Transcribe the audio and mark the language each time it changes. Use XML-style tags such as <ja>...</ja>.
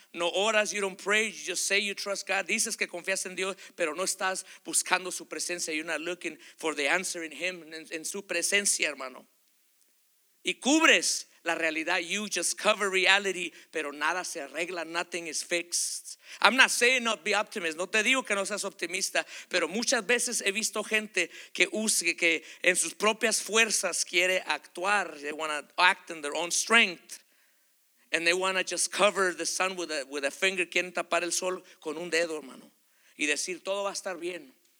<es>No oras,</es> <en>you don't pray, you just say you trust God.</en> <es>Dices que confías en Dios, pero no estás buscando su presencia.</es> <en>You're not looking for the answer in Him,</en> <es>en su presencia, hermano. Y cubres la realidad.</es> <en>You just cover reality,</en> <es>pero nada se arregla,</es> <en>nothing is fixed. I'm not saying not be optimist.</en> <es>No te digo que no seas optimista, pero muchas veces he visto gente que use, que en sus propias fuerzas quiere actuar.</es> <en>They want to act in their own strength. And they want to just cover the sun with a finger.</en> <es>Quieren tapar el sol con un dedo, hermano, y decir todo va a estar bien.</es>